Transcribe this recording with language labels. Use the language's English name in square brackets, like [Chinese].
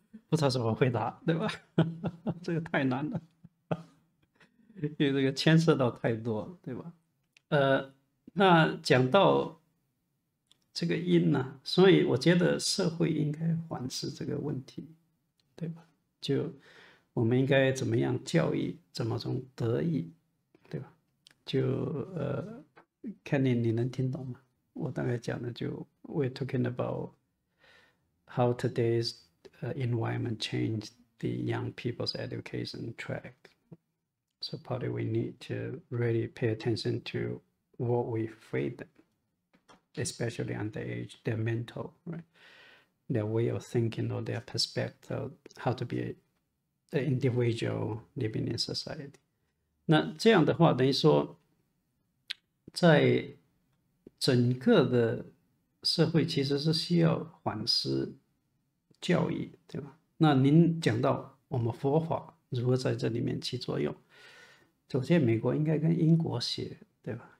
[Chinese] 不知道怎么回答，对吧？这个太难了，因为这个牵涉到太多，对吧？那讲到这个因呢，所以我觉得社会应该反思这个问题，对吧？就我们应该怎么样教育，怎么从德育，对吧？ Kenny, 你能听懂吗？我大概讲的就 [English] we're talking about how today's environment changed the young people's education track. So probably we need to really pay attention to what we feed them, especially on their age, their mental, right? Their way of thinking or their perspective, how to be an individual living in society. [Chinese] 那这样的话，等于说，在整个的社会其实是需要反思教育，对吧？那您讲到我们佛法如何在这里面起作用，首先美国应该跟英国学，对吧？